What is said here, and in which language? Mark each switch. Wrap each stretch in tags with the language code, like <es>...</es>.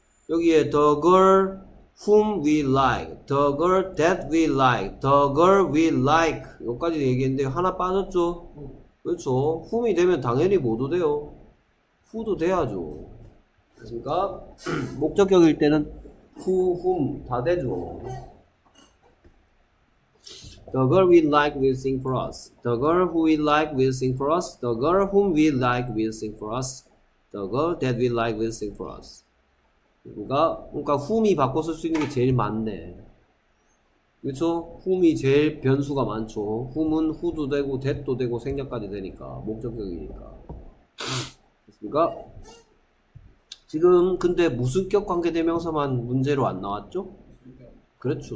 <ko>여기에</ko> <en>the girl whom we like, the girl that we like, the girl we like.</en> <ko>여기까지 얘기했는데 하나 빠졌죠? 그렇죠. whom이 되면 당연히 뭐도 돼요. who도 돼야죠. 맞습니까? 목적격일 때는 who, whom 다 되죠.</ko> <en>The girl we like will sing for us. The girl who we like will sing for us. The girl whom we like will sing for us. The girl that we like will sing for us.</en> <ko>그러니까 whom이 바꿔 쓸수 있는 게 제일 많네. 그렇죠? whom이 제일 변수가 많죠. whom은 who도 되고 that도 되고 생략까지 되니까 목적격이니까. 그렇습니까? 지금 근데 무슨격 관계대명사만 문제로 안 나왔죠? 그렇죠.</ko>